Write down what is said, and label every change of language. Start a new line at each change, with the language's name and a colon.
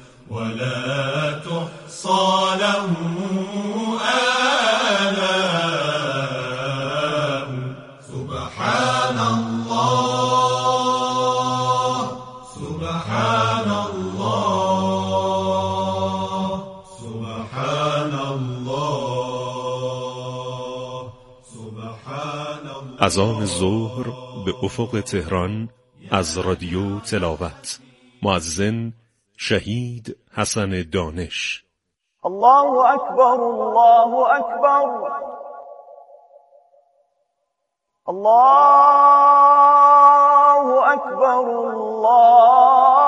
Arabic: ولا تحصى له آلاء سبحان الله سبحان الله سبحان الله سبحان الله
Persian: أذان الظهر بأفق تهران از رادیو تلاوت مؤذن شهید حسن دانش
Arabic: الله اکبر الله اکبر الله اکبر الله اکبر